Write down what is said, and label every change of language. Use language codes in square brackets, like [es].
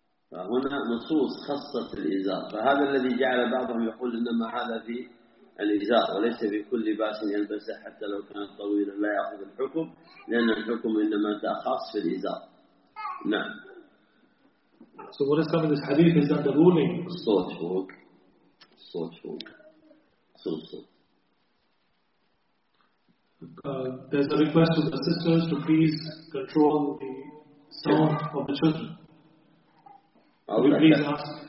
[ar] فهنا نصوص خصت الإزار، فهذا الذي جعل بعضهم يقول إنما هذا في الإزار، وليس بكل لباس يلبسه حتى لو كانت طويلة لا يأخذ الحكم، لأن الحكم إنما تأخص في الإزار. نعم. [en] So what is coming this hadith is that the ruling الصوت فوق الصوت فوق صوت صوت there's a request to the sisters to please control the sound of the children. Could you please ask?